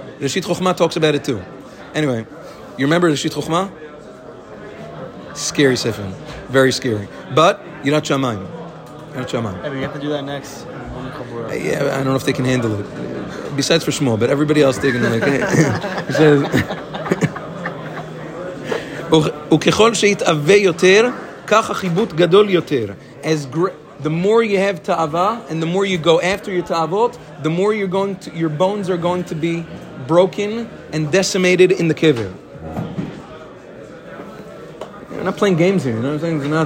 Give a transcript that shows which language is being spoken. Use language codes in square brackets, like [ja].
[en] Rishit Chochma talks about it too. Anyway, you remember Rishit Chochma? Scary sefer. Very scary. But, Yirat Shamayim. Yirat Shamayim. Hey, we have to do that next. Yeah, I don't know if they can handle it. Besides for Shmuel, but everybody else digging it. Okay? He says, [he] וככל שיתאווה יותר, כך החיבוט גדול יותר. [en] The more you have ta'ava, and the more you go after your ta'avot, the more your bones are going to be broken and decimated in the kever. We're not playing games here, you know what I'm saying?